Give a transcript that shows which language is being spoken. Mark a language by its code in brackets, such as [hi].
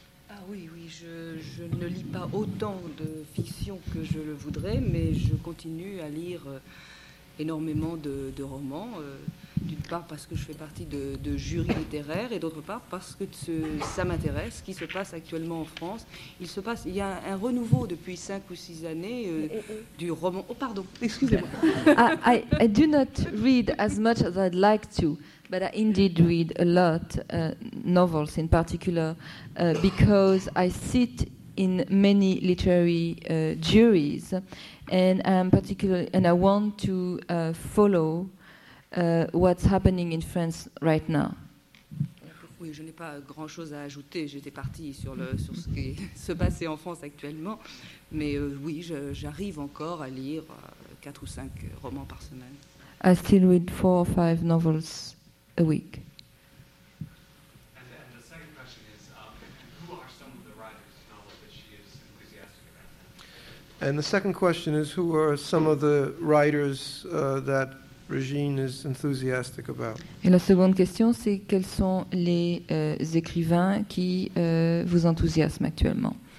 [fr] Ah oui, oui, je ne lis pas autant de fiction que je le voudrais, mais je continue à lire énormément de romans, d'une part parce que je fais partie de jurys littéraires et d'autre part parce que ça m'intéresse, ce qui se passe actuellement en France. Il y a un renouveau depuis 5 ou 6 années du roman. Oh, pardon, excusez-moi. [en] I do not read as much as I'd like to, but I indeed read a lot, novels in particular, because I sit in many literary juries. And I'm particularly, and I want to follow what's happening in France right now. [fr] Oui, je n'ai pas grand-chose à ajouter. J'étais partie sur ce qui se passait en France actuellement, mais oui, j'arrive encore à lire 4 ou 5 romans par semaine. [en] I still read 4 or 5 novels a week. And the second question is, who are some of the writers that Régine is enthusiastic about? [fr] Et la seconde question, c'est quels sont les écrivains qui vous enthousiasment actuellement?